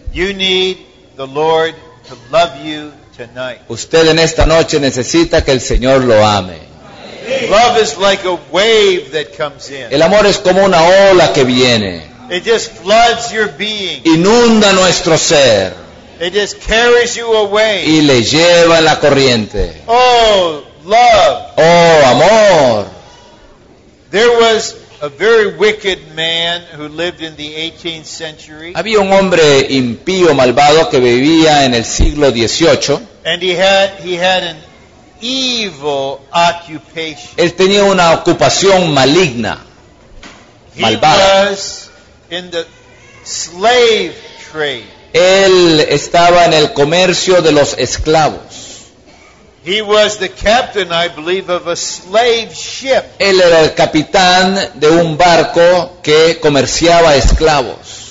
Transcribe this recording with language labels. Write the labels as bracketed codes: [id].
[en] You need the Lord to love you tonight. [es] Usted en esta noche necesita que el Señor lo ame. [en] Love is like a wave that comes in. [es] El amor es como una ola que viene. [en] It just floods your being. [es] Inunda nuestro ser. [en] It just carries you away. [es] Y le lleva la corriente. [en] Oh, love. [es] Oh, amor. [en] There was a very wicked man who lived in the 18th century. [es] Había un hombre impío, malvado, que vivía en el siglo 18. [en] And he had an evil occupation. [es] Él tenía una ocupación maligna, malvada. [en] In the slave trade. [es] Él estaba en el comercio de los esclavos. [en] He was the captain, I believe, of a slave ship. [es] Él era el capitán de un barco que comerciaba esclavos.